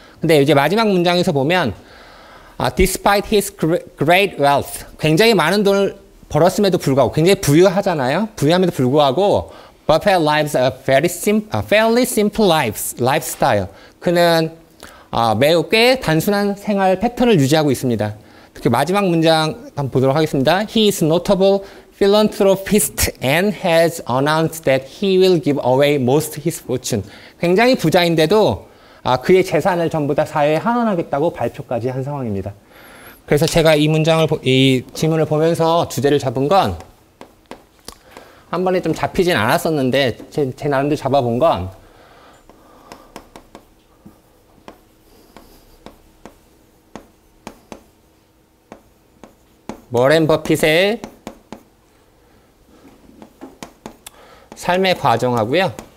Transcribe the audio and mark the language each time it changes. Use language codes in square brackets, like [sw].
[ko] 근데 이제 마지막 문장에서 보면 [en] despite his great wealth, [ko] 굉장히 많은 돈을 벌었음에도 불구하고 굉장히 부유하잖아요. 부유함에도 불구하고 [en] Buffett lives a very simple, fairly simple lifestyle. [ko] 그는 매우 꽤 단순한 생활 패턴을 유지하고 있습니다. 특히 마지막 문장 한번 보도록 하겠습니다. [en] He is notable philanthropist and has announced that he will give away most of his fortune. [ko] 굉장히 부자인데도 그의 재산을 전부 다 사회에 환원하겠다고 발표까지 한 상황입니다. 그래서 제가 이 질문을 보면서 주제를 잡은 건 한 번에 좀 잡히진 않았었는데 제 나름대로 잡아본 건 워렌 버핏의 삶의 과정하고요.